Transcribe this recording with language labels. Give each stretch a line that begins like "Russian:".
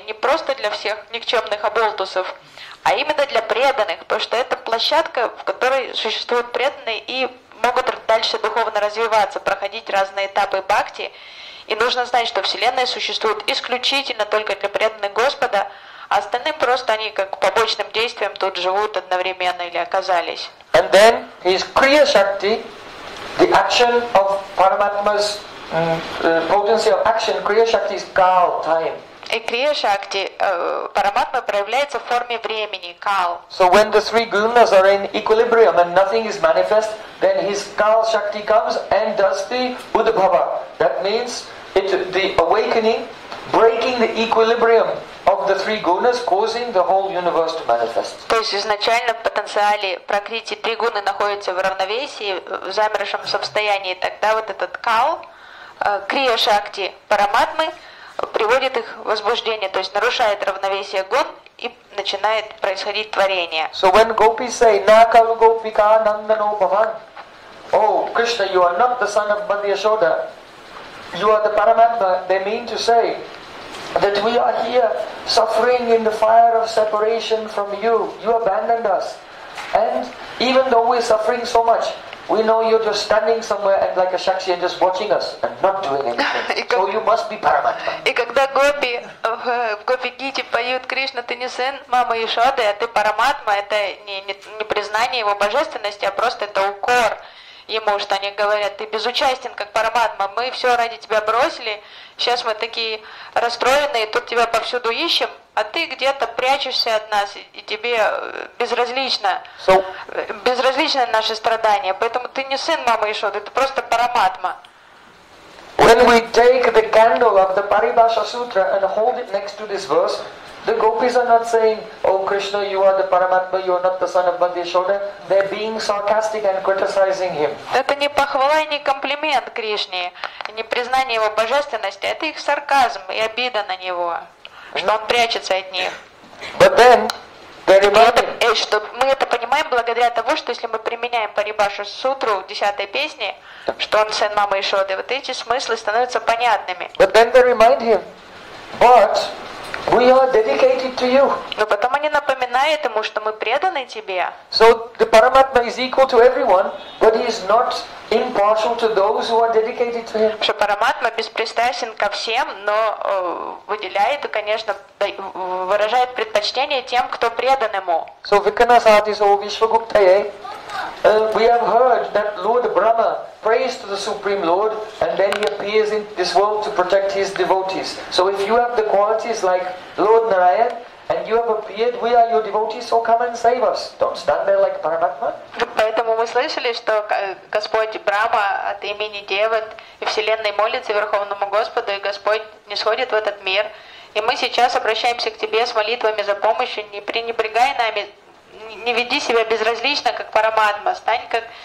Russian: И не просто для всех никчемных оболтусов, а именно для преданных, потому что это площадка, в которой существуют преданные и могут дальше духовно развиваться, проходить разные этапы бхакти. И нужно знать, что Вселенная существует исключительно только для преданных Господа, а остальным просто они как побочным действием тут живут одновременно или оказались.
English: And then his Kriya Shakti, the action of Paramatma's potency of action, Kriya Shakti is Kal, time.
Russian: И Kriya Shakti Paramatma проявляется в форме времени, Kal.
English: So when the three gunas are in equilibrium and nothing is manifest, then his Kal Shakti comes and does the Udbhava. That means the awakening, breaking the equilibrium of the three gunas, causing the whole universe to manifest.
Russian: То есть изначально в потенциале Пракрити три гуны находятся в равновесии, в замершем состоянии, тогда вот этот Kal, Крия Шакти Параматмы приводит их в возбуждение, то есть нарушает равновесие гун и начинает происходить творение.
English: So when gopis say, Nakalu gopika nandano bhavan, O Krishna, you are not the son of Bandi Yashoda, you are the Paramatma, they mean to say that we are here suffering in the fire of separation from you. You abandoned us. And even though we are suffering so much, we know you're just standing somewhere and like a shakti and just watching us and not doing anything. So you must be Paramatma.
Russian: И когда гопи в гопи-гите поют Кришна, ты не сын мамы Яшоды, а ты Параматма, это не признание его божественности, а просто это укор ему, что они говорят, ты безучастен, как Параматма, мы все ради тебя бросили, сейчас мы такие расстроенные, тут тебя повсюду ищем, а ты где-то прячешься от нас, и тебе безразлично, безразлично наши страдания, поэтому ты не сын мамы Яшоды, ты просто Параматма.
English: When we take the candle of the Paribhasha Sutra and hold it next to this verse, the gopis are not saying, O Krishna, you are the Paramatma, you are not the son of Bandi Yashoda. They're being sarcastic and criticizing him.
Russian: Это не похвала и не комплимент Кришне, не признание его божественности, это их сарказм и обида на него, что он прячется от них.
English: But then,
Russian: что мы это понимаем благодаря тому, что если мы применяем Парибашу Сутру в 10-й песне, что он сын мамы Яшоды, вот эти смыслы становятся понятными.
English: But then they remind him, but we are dedicated to you.
Russian: Но потом они напоминают. вина этому, что мы преданы тебе.
English: So the Paramatma is equal to everyone, but he is not impartial to those who are dedicated to him.
Russian: Что Параматма беспристрастен ко всем, но выделяет и, конечно, выражает предпочтение тем, кто предан ему.
English: So Vikarnasati so Vishvaguptaye, we have heard that Lord Brahma prays to the Supreme Lord, and then he appears in this world to protect his devotees. So if you have the qualities like Lord Narayan, and you have appeared, we are your devotees, so come and save us. Don't stand there like Paramatma.
Russian: Поэтому мы слышали, что Господь Брама от имени Девы и Вселенной молится Верховному Господу, и Господь нисходит в этот мир. И мы сейчас обращаемся к Тебе с молитвами за помощью, не пренебрегай нами, не веди себя безразлично, как Параматма. Стань как...